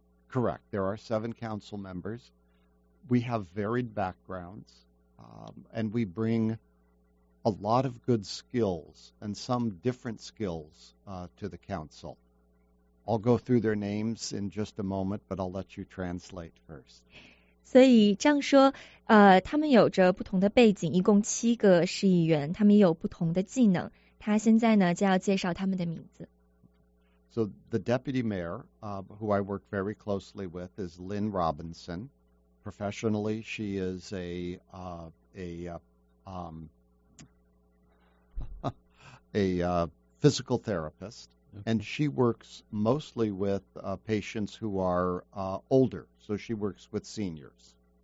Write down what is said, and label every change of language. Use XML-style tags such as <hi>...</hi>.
<en>Correct. There are 7 council members. We have varied backgrounds, and we bring a lot of good skills and some different skills, to the council. I'll go through their names in just a moment, but I'll let you translate first.</en> <zh>所以这样说，他们有着不同的背景，一共7个市议员，他们也有不同的技能。他现在呢，就要介绍他们的名字。</zh> <en>So the deputy mayor, who I work very closely with, is Lynn Robinson. Professionally, she is a physical therapist. Okay. And she works mostly with patients who are older, so she works with seniors.</en>